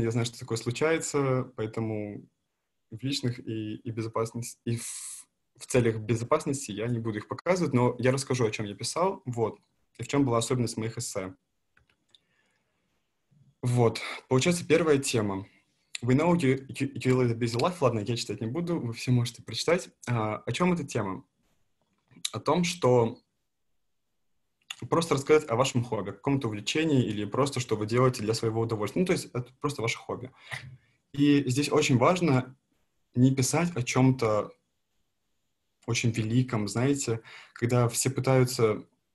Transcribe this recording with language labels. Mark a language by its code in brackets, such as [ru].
[ru] Я знаю, что такое случается, поэтому в личных и безопасности, и в целях безопасности я не буду их показывать, но я расскажу, о чем я писал, вот, и в чем была особенность моих эссе. Вот, получается, первая тема. [en] We know you live a busy life. [ru] Ладно, я читать не буду, вы все можете прочитать. О чем эта тема? О том, что просто рассказать о вашем хобби, о каком-то увлечении или просто что вы делаете для своего удовольствия. Ну, то есть это просто ваше хобби. И здесь очень важно не писать о чем-то очень великом, знаете, когда все пытаются...